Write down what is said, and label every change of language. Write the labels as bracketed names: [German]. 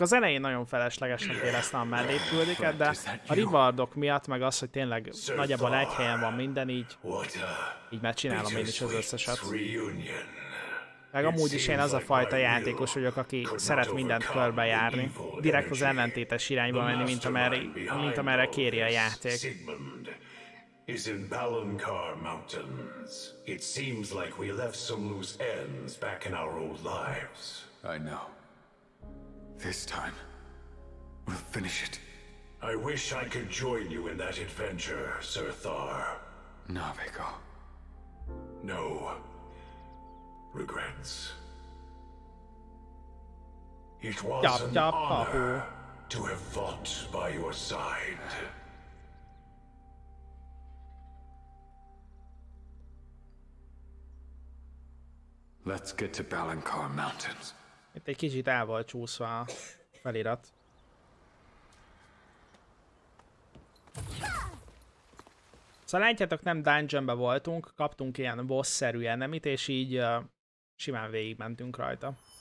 [Hungarian] Az elején nagyon feleslegesnek éreztem a melegküldéket, de a rivaldok miatt, meg az, hogy tényleg nagyjából egy helyen van minden, így megcsinálom én is az összeset. Meg amúgy is én az a fajta játékos vagyok, aki szeret mindent körbejárni, direkt az ellentétes irányba menni, mint amerre kéri a játék. [English] Sigmund is in Balankar Mountains. It seems like we left some loose ends back in our old lives. I know. This time, we'll finish it. I wish I could join you in that adventure, Sir Thar. Navigo. No. Regrets. It was an honor to have fought by your side. Let's get to Balankar Mountains. [Hungarian] Itt egy kicsit el volt csúszva a felirat. Szóval látjátok, nem dungeonbe voltunk, kaptunk ilyen boss-szerű enemit, és így simán végigmentünk rajta.